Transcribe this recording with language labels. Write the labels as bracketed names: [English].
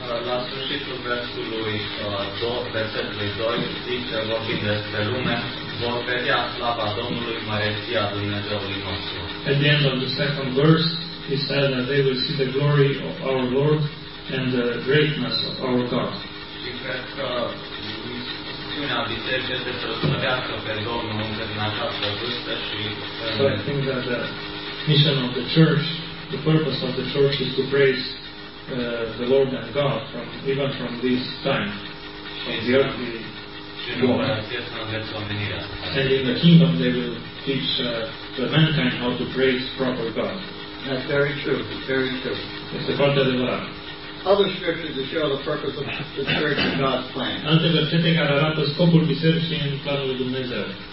[Romanian] La sfârșitul versului 2, versetului 2, zice, vorbind despre lume, vor vedea slava Domnului, măreția Dumnezeului nostru. [English] At the end of the second verse, he said that they will see the glory of our Lord and the greatness of our God. [Romanian] Și cred că misiunea bisericii este să slăvească pe Domnul încă din această vârstă și... [English] So I think that the mission of the church, the purpose of the church is to praise the Lord and God from even from this time. And in the kingdom they will teach the mankind how to praise proper God. That's very true. Very true. It's the part of the law. Other scriptures to show the purpose of the church and God's plan. [Romanian] Alte versete care arată scopul bisericii în planul lui Dumnezeu.